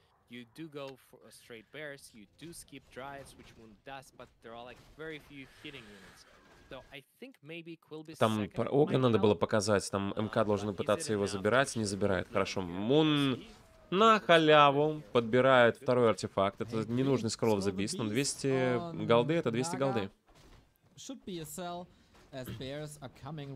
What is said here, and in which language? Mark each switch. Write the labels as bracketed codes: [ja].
[en] You do go for straight bears, you do skip drives, which Moon does, but there are, like, very few hitting units. [ru] Там Ога надо было показать, там МК должны пытаться его забирать, не забирает. Хорошо, Мун... На халяву подбирает второй артефакт. Это ненужный Scroll of the Beast, но 200 голды — это 200 голды. [en] Should be a sell, as bears are coming.